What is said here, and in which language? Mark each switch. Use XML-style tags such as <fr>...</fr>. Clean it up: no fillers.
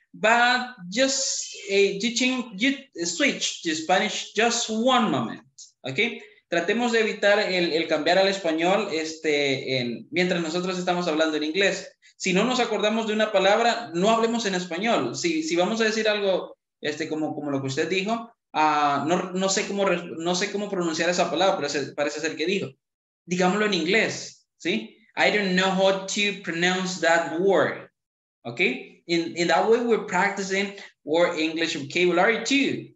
<en>But just switch to Spanish just one moment, okay?</en> <es>tratemos de evitar el cambiar al español mientras nosotros estamos hablando en inglés. Si no nos acordamos de una palabra, no hablemos en español. Si vamos a decir algo como lo que usted dijo, no sé cómo pronunciar esa palabra, pero parece ser que dijo. Digámoslo en inglés, ¿sí?</es> <en>I don't know how to pronounce that word, okay? In that way, we're practicing our English vocabulary too.</en>